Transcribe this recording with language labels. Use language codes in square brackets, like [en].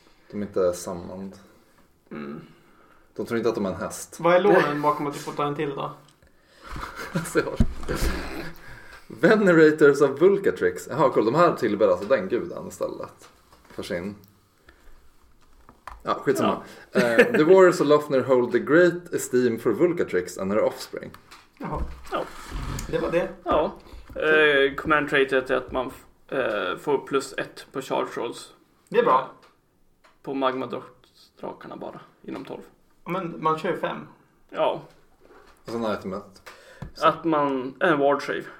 [sv] De är inte sammand. Mm. De tror inte att de är en häst. Vad är loren bakom att du får ta en till då? Alltså, jag har... Venerators of Vulcatrix. Jaha, cool. De här tillber alltså den guden istället. För sin. Ja, skitsamma. Ja. [en] The warriors of Lofnir hold the great esteem for Vulcatrix and her offspring. [sv] Jaha. Ja. Det var det. Ja. Command traitet är att man får plus ett på charge rolls. Det är bra. På magmadrakarna bara. Inom 12. Men man kör ju 5. Ja. Och sen itemet. Att man... En ward save.